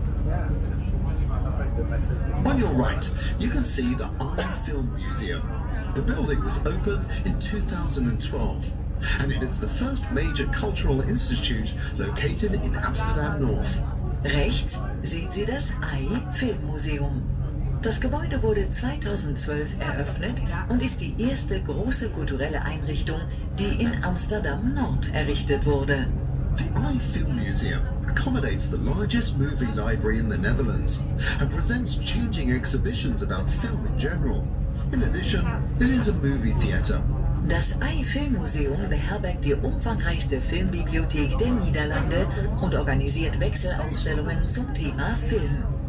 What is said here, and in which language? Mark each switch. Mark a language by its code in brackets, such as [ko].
[en] on your right, you can see the Iron Film Museum. The building was opened in 2012 and it is the first major cultural institute located in Amsterdam North. [de] Rechts sieht sie das AI Filmmuseum. Das Gebäude wurde 2012 eröffnet und ist die erste große kulturelle Einrichtung, die in Amsterdam Nord errichtet wurde. [en] The AI Film Museum accommodates the largest movie library in the Netherlands and presents changing exhibitions about film in general. In addition, it is a movie theater. [de] Das AI Film Museum beherbergt die umfangreichste Filmbibliothek der Niederlande und organisiert Wechselausstellungen zum Thema Film.